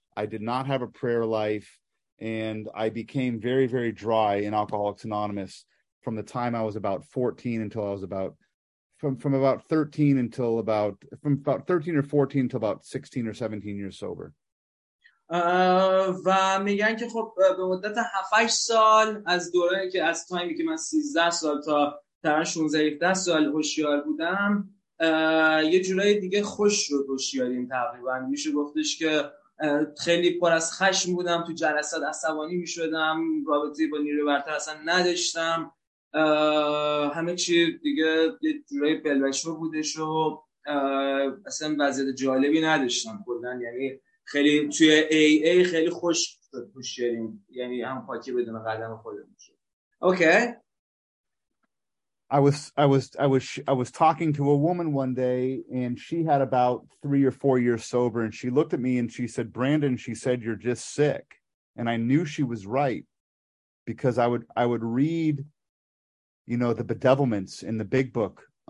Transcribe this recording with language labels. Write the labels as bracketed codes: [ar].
[en] I did not have a prayer life, and I became very, very dry in Alcoholics Anonymous from the time I was about 14 until I was about from about 13 or 14 to about 16 or 17 years sober. [fa] و میگن که خب به مدت 7-8 سال از دوره که از تایمی که من 13 سال تا تقریبا 16-17 سال هوشیار بودم یه جورای دیگه خوش شد هوشیاریم تقریبا میشه گفتش که خیلی پر از خشم بودم تو جلسات عصبانی میشدم رابطه با نیروی برتر اصلا نداشتم همه چی دیگه یه جورای بلبشو بودش و اصلا وضعیت جالبی نداشتم کلاً یعنی خیلی توی AA خیلی خوش شد خوش شدیم یعنی هم پاکی بدون قدم خودم شد. [en] Okay. I was talking to a woman one day and she had about 3 or 4 years sober and she looked at me and she said, Brandon, she said, you're just sick. And I knew she was right because I would read, you know, the bedevilments in the big book.